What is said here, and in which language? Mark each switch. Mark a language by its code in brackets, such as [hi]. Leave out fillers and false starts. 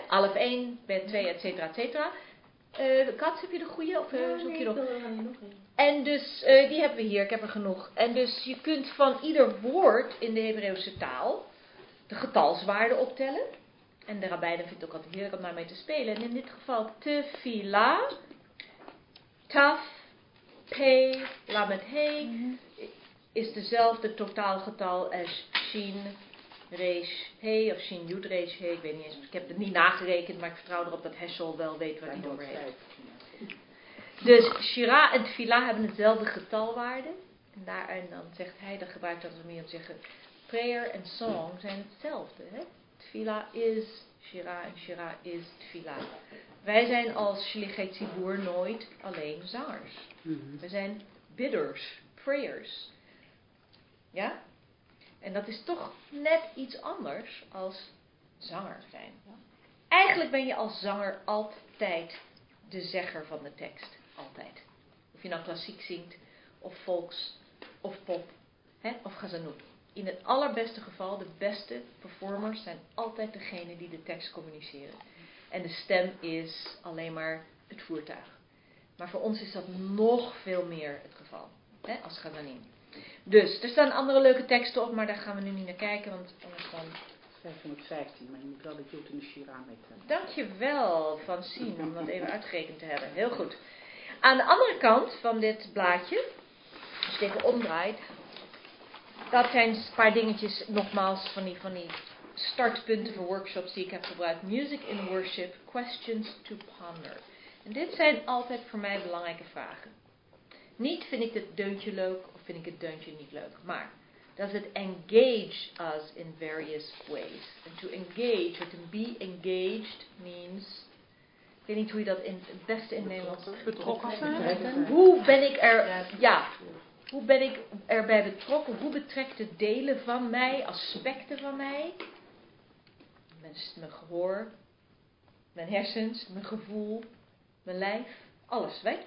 [nl] Alef 1, bet 2, et cetera, et cetera. Kat, heb je de goede? Of zoek je nog? En dus, die hebben we hier, ik heb er genoeg. En dus, je kunt van ieder woord in de Hebreeuwse taal de getalswaarde optellen. En de rabbijnen vinden het ook altijd heerlijk om daarmee te spelen. En in dit geval, tefila, taf, pe, lamet he, is dezelfde totaalgetal als shin, resh, he, of shin, yud, resh, he. Ik weet niet eens, ik heb het niet nagerekend, maar ik vertrouw erop dat Heschel wel weet waar hij over heeft. Dus Shira en Tfila hebben dezelfde getalwaarde. En daarin dan zegt hij, dan gebruikt dat meer om te zeggen, prayer en song zijn hetzelfde. Hè? Tfila is Shira en Shira is Tfila. Wij zijn als Shlichei Tzibur nooit alleen zangers. Mm-hmm. We zijn bidders, prayers. Ja? En dat is toch net iets anders als zanger zijn. Eigenlijk ben je als zanger altijd de zegger van de tekst. Altijd. Of je nou klassiek zingt, of folks, of pop, hè, of gazanoet. In het allerbeste geval, de beste performers zijn altijd degene die de tekst communiceren. En de stem is alleen maar het voertuig. Maar voor ons is dat nog veel meer het geval, hè, als gazanin. Dus, er staan andere leuke teksten op, maar daar gaan we nu niet naar kijken, want anders dan... 515, maar je moet wel de Jod en de Shira meten. Dankjewel, Francine, om dat even uitgerekend te hebben. Heel goed. Aan de andere kant van dit blaadje, als je even omdraait, dat zijn een paar dingetjes nogmaals van die startpunten voor workshops die ik heb gebruikt. [en] Music in worship, questions to ponder. [nl] En dit zijn altijd voor mij belangrijke vragen. Niet vind ik het deuntje leuk of vind ik het deuntje niet leuk, maar [en] does it engage us in various ways? And to engage, or to be engaged means... [nl] Ik weet niet hoe je dat het beste in Nederlands... Betrokken zijn. Hoe ben ik er... Ja. Hoe ben ik erbij betrokken? Hoe betrekt het delen van mij, aspecten van mij? Mijn gehoor. Mijn hersens. Mijn gevoel. Mijn lijf. Alles, weet.